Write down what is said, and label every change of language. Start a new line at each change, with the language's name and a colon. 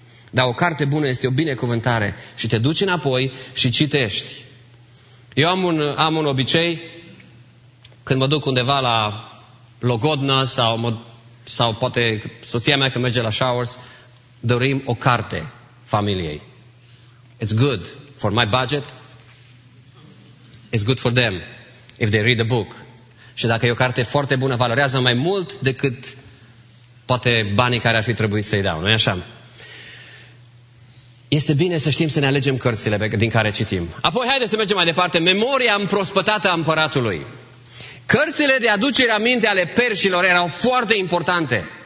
Romanian: Dar o carte bună este o binecuvântare și te duci înapoi și citești. Eu am un obicei, când mă duc undeva la Logodna sau poate soția mea când merge la showers, dorim o carte familiei.
English: It's good for my budget, it's good for them if they read the book.
Romanian: Și dacă e o carte foarte bună, valorează mai mult decât poate banii care ar fi trebuit să-i dau, nu-i așa? Este bine să știm să ne alegem cărțile din care citim. Apoi, haideți să mergem mai departe. Memoria împrospătată a împăratului. Cărțile de aducere a minte ale perșilor erau foarte importante.